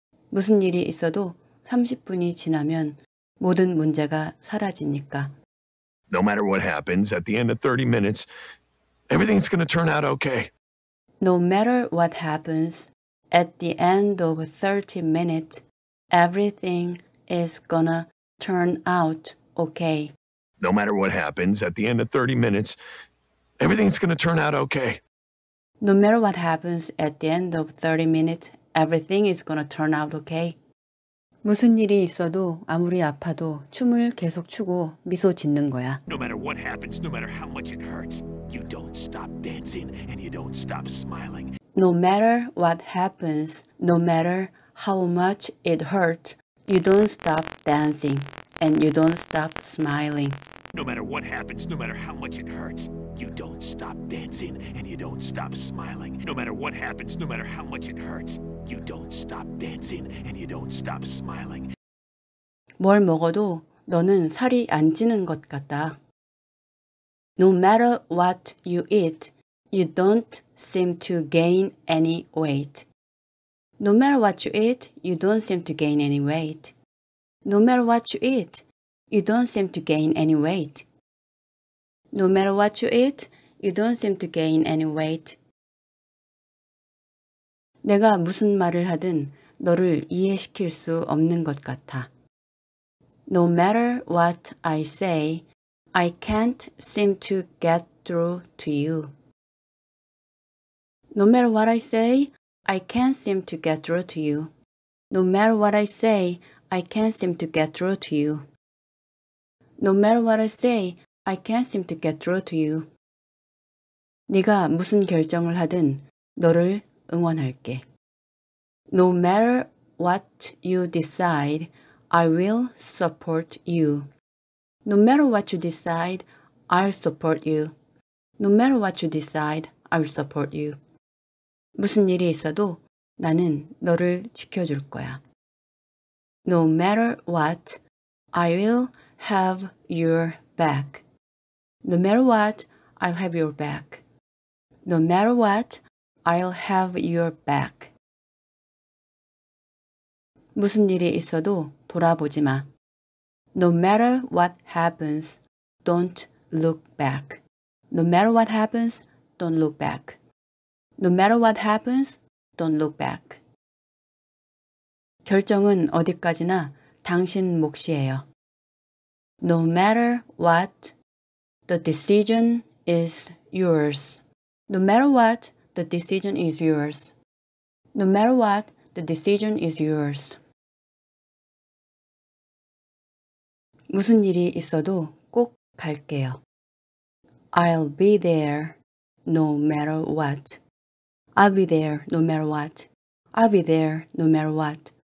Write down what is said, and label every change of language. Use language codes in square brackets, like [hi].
[ko] 무슨 일이 있어도 30분이 지나면 모든 문제가 사라지니까. [en] No matter what happens, at the end of 30 minutes, everything's going to turn out okay. No matter what happens, at the end of 30 minutes, everything is going to turn out okay. No matter what happens, at the end of 30 minutes, everything's going to turn out okay. No matter what happens, at the end of 30 minutes, everything is going to turn out okay. [ko] 무슨 일이 있어도 아무리 아파도 춤을 계속 추고 미소 짓는 거야. [en] No matter what happens, no matter how much it hurts, you don't stop dancing and you don't stop smiling. No matter what happens, no matter how much it hurts, you don't stop dancing and you don't stop smiling. No matter what happens, no matter how much it hurts, you don't stop dancing and you don't stop smiling. No matter what happens, no matter how much it hurts, you don't stop dancing and you don't stop smiling. [ko] 뭘 먹어도 너는 살이 안 찌는 것 같다. [en] No matter what you eat, you don't seem to gain any weight. No matter what you eat, you don't seem to gain any weight. No matter what you eat, you don't seem to gain any weight. No matter what you eat, you don't seem to gain any weight. [ko] 내가 무슨 말을 하든 너를 이해시킬 수 없는 것 같아. [en] No matter what I say, I can't seem to get through to you. No matter what I say, I can't seem to get through to you. No matter what I say, I can't seem to get through to you. No matter what I say, I can't seem to get through to you. [ko] 네가 무슨 결정을 하든 너를 응원할게. [en] No matter what you decide, I will support you. No matter what you decide, I'll support you. No matter what you decide, I'll support you. [ko] 무슨 일이 있어도 나는 너를 지켜줄 거야. [en] No matter what, I will have your back. No matter what, I'll have your back. No matter what, I'll have your back. [ko] 무슨 일이 있어도 돌아보지 마. [en] No matter what happens, don't look back. No matter what happens, don't look back. No matter what happens, don't look back. [ko] 결정은 어디까지나 당신 몫이에요. [en] No matter what, the decision is yours. No matter what, the decision is yours. No matter what, the decision is yours. [ko] 무슨 일이 있어도 꼭 갈게요. [en] I'll be there no matter what. I'll be there no matter what. I'll be there no matter what.